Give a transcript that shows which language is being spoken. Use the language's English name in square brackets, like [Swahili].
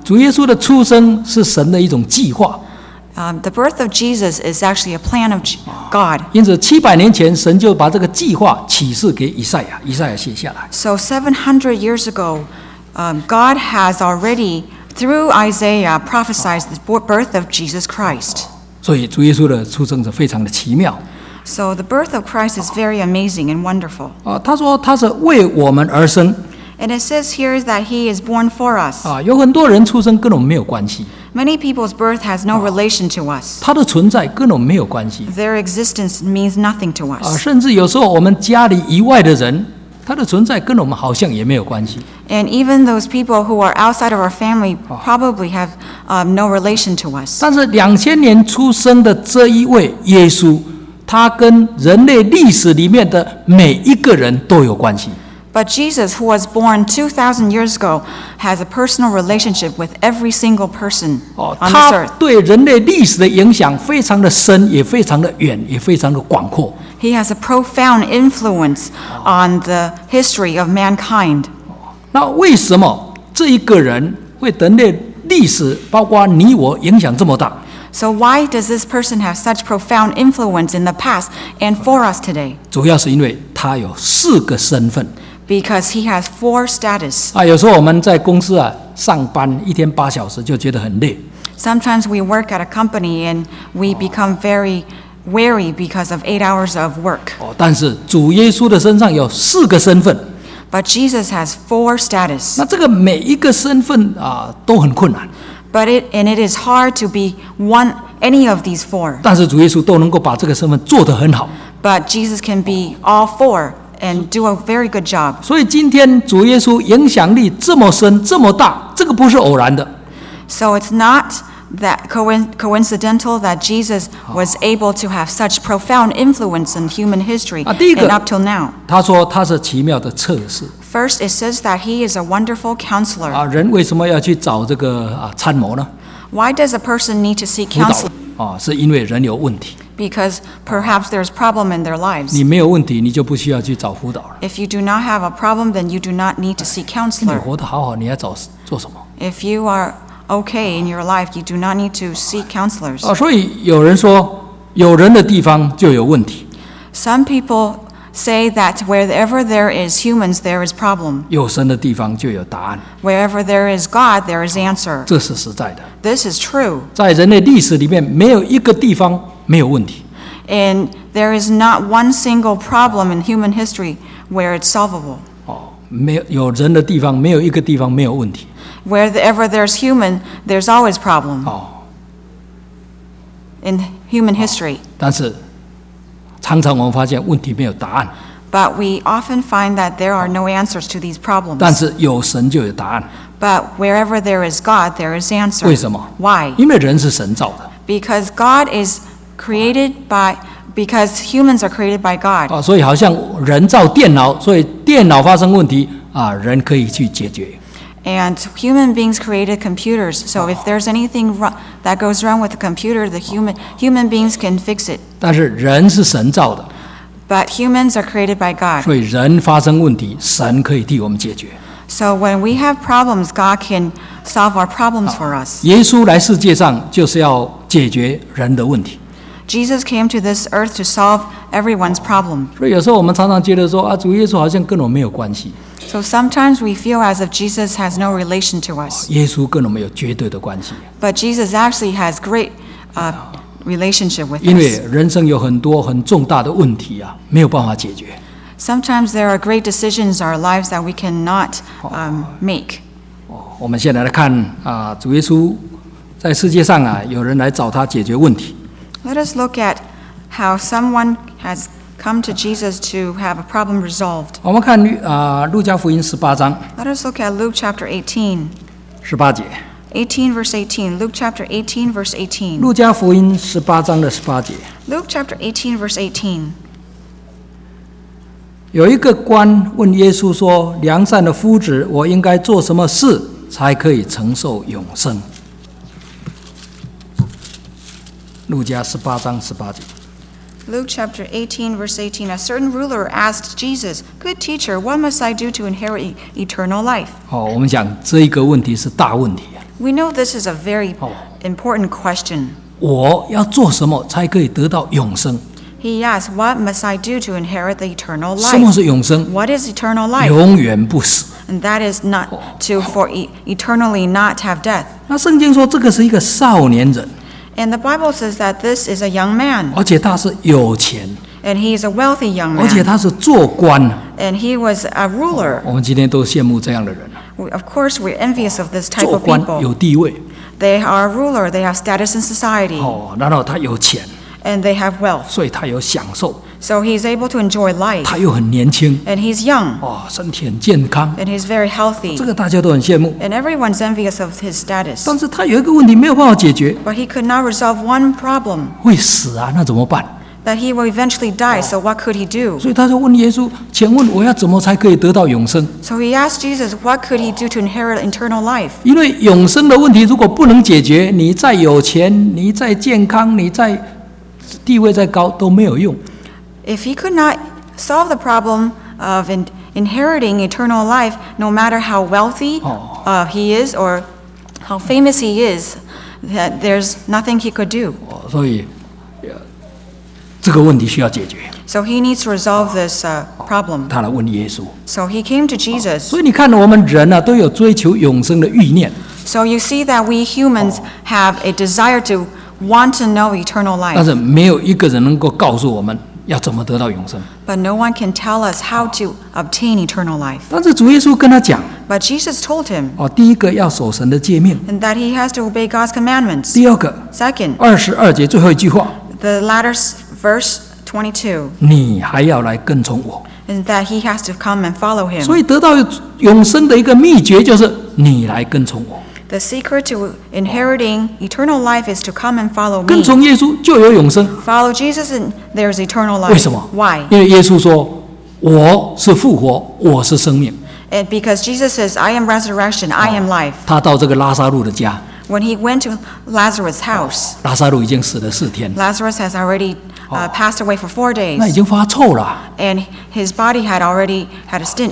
[Chinese] 主耶稣的出生是神的一种计划。 [English] The birth of Jesus is actually a plan of God. [Chinese] 因此700年前神就把这个计划启示给以赛亚，以赛亚写下来。 [English] So 700 years ago, God has already, through Isaiah, prophesied the birth of Jesus Christ. [Chinese] 所以主耶稣的出生是非常的奇妙。 [English] So the birth of Christ is very amazing and wonderful. [Chinese] 他说他是为我们而生。 [English] And it says here that he is born for us. [Chinese] 有很多人出生跟我们没有关系。 [English] Many people's birth has no relation to us. [Chinese] 他的存在跟我们没有关系。 [English] Their existence means nothing to us. [Chinese] 甚至有时候我们家里以外的人，他的存在跟我们好像也没有关系。 [English] And even those people who are outside of our family probably have no relation to us. [Chinese] 但是2000年出生的这一位耶稣，他跟人类历史里面的每一个人都有关系。 [English] But Jesus, who was born 2,000 years ago, has a personal relationship with every single person on this earth. [Chinese] 他对人类历史的影响非常的深，也非常的远，也非常的广阔。 [English] He has a profound influence on the history of mankind. [Chinese] 那为什么这一个人会人类历史，包括你我影响这么大？ [English] So why does this person have such profound influence in the past and for us today? [Chinese] 主要是因为他有四个身份。 [English] Because he has four status. [Chinese] 有时候我们在公司上班一天八小时就觉得很累。 [English] Sometimes we work at a company and we become very weary because of 8 hours of work. [Chinese] 但是主耶稣的身上有四个身份。 [English] But Jesus has four status. [Chinese] 那这个每一个身份都很困难。 [English] But it is hard to be one any of these four. [Chinese] 但是主耶稣都能够把这个身份做得很好。 [English] But Jesus can be all four. And do a very good job. [Chinese] 所以今天主耶稣影响力这么深这么大，这个不是偶然的。 [English] So it's not that coincidental that Jesus was able to have such profound influence in human history and up till now. [Chinese] 他说他是奇妙的策士。 [English] First it says that he is a wonderful counselor. [Chinese] 人为什么要去找这个参谋呢？ [English] Why does a person need to seek counsel? [Chinese] 是因为人有问题。 [English] Because perhaps there's a problem in their lives. [Chinese] 你没有问题，你就不需要去找辅导了。 [English] If you do not have a problem, then you do not need to see counselor. [Chinese] 你活得好好，你要找做什么？ [English] If you are okay in your life, you do not need to see counselors. [Chinese] 所以有人说，有人的地方就有问题。 [English] Some people say that wherever there is humans, there is problem. [Chinese] 有神的地方就有答案。 [English] Wherever there is God, there is answer. [Chinese] 这是实在的。 [English] This is true. [Chinese] 在人类历史里面，没有一个地方。没有问题。 [English] And there is not one single problem in human history where it's solvable. [Chinese] 有人的地方，没有一个地方没有问题。 [English] Wherever there's human, there's always problem. In human history. [Chinese] 但是，常常我们发现问题没有答案。 [English] But we often find that there are no answers to these problems. [Chinese] 但是有神就有答案。 [English] But wherever there is God, there is answer. [Chinese] 为什么？ [English] Why? [Chinese] 因为人是神造的。 [English] Because God is created by because humans are created by God. [Chinese] 所以好像人造电脑，所以电脑发生问题人可以去解决。 [English] And human beings created computers, so if there's anything that goes wrong with the computer, the human beings can fix it. [Chinese] 但是人是神造的。 [English] But humans are created by God. [Chinese] 所以人发生问题，神可以替我们解决。 [English] So when we have problems, God can solve our problems for us. [Chinese] 耶稣来世界上就是要解决人的问题。 [English] Jesus came to this earth to solve everyone's problem. [Chinese] 所以有时候我们常常觉得说主耶稣好像跟我们没有关系。 [English] So sometimes we feel as if Jesus has no relation to us. [Chinese] 耶稣跟我们有绝对的关系。 [English] But Jesus actually has great relationship with us. [Chinese] 因为人生有很多很重大的问题没有办法解决。 [English] Sometimes there are great decisions in our lives that we cannot make. [Chinese] 我们现在来看主耶稣在世界上有人来找他解决问题。 [English] Let us look at how someone has come to Jesus to have a problem resolved. [Chinese] 我们看路加福音十八章。 [English] Let us look at Luke chapter 18. [Chinese] 十八节。 [English] 18 verse 18. Luke chapter 18 verse 18. [Chinese] 路加福音十八章的十八节。 [English] Luke chapter 18 verse 18. [Chinese] 有一个官问耶稣说：“良善的夫子，我应该做什么事才可以承受永生？” 路加十八章十八节。 [English] Luke chapter 18, verse 18, a certain ruler asked Jesus, good teacher, what must I do to inherit eternal life? [Chinese] 哦，我们讲这一个问题是大问题。 [English] We know this is a very important question. [Chinese] 我要做什么才可以得到永生？ [English] He asks, what must I do to inherit the eternal life? [Chinese] 什么是永生? [English] What is eternal life? [Chinese] 永远不死。 [English] And that is not to for eternally not have death. [Chinese] 那圣经说这个是一个少年人。 [English] And the Bible says that this is a young man. [Chinese] 而且他是有钱。 [English] And he is a wealthy young man. [Chinese] 而且他是做官。 [English] And he was a ruler. [Chinese] 我们今天都羡慕这样的人。 [English] Of course, we're envious of this type of people. [Chinese] 做官有地位。 [English] They are a ruler. They have status in society. [Chinese] 然后他有钱。 [English] And they have wealth. [Chinese] 所以他有享受。 [English] So he's able to enjoy life. [Chinese] 他又很年轻。 [English] And he's young. [Chinese] 身体很健康。 [English] And he's very healthy. [Chinese] 这个大家都很羡慕。 [English] And everyone's envious of his status. [Chinese] 但是他有一个问题没有办法解决。 [English] But he could not resolve one problem. [Chinese] 会死啊，那怎么办？ [English] That he will eventually die, so what could he do? [Chinese] 所以他就问耶稣，请问我要怎么才可以得到永生？ [English] So he asked Jesus, what could he do to inherit eternal life? [Chinese] 因为永生的问题如果不能解决，你再有钱，你再健康，你再地位再高都没有用。 [English] If he could not solve the problem of inheriting eternal life, no matter how wealthy he is or how famous he is, that there's nothing he could do. [Chinese] 所以这个问题需要解决。 [English] So he needs to resolve this problem. [Chinese] 他来问耶稣。 [English] So he came to Jesus. [Chinese] 所以你看我们人都有追求永生的欲念。 [English] So you see that we humans have a desire to want to know eternal life. [Chinese] 但是没有一个人能够告诉我们要怎么得到永生。 [English] But no one can tell us how to obtain eternal life. [Chinese] 但是主耶稣跟他讲。 [English] But Jesus told him. [Chinese] 第一个要守神的诫命。 [English] And that he has to obey God's commandments. [Chinese] 第二个。 [English] Second. [Chinese] 二十二节最后一句话。 [English] The latter Verse 22. [Chinese] 你还要来跟从我。 [English] And that he has to come and follow him. [Chinese] 所以得到永生的一个秘诀就是你来跟从我。 [English] The secret to inheriting eternal life is to come and follow me. [Chinese] 跟从耶稣就有永生。 [English] Follow Jesus and there's eternal life. [Chinese] 为什么? [English] Why? [Chinese] 因为耶稣说，我是复活，我是生命。 [English] And because Jesus says, I am resurrection, I am life. [Chinese] 他到这个拉撒路的家。 [English] When he went to Lazarus' house, [Chinese] Lazarus 已经死了四天。 [English] Lazarus has already passed away for 4 days. [Chinese] 那已经发臭了。 [English] And his body had already had a stench.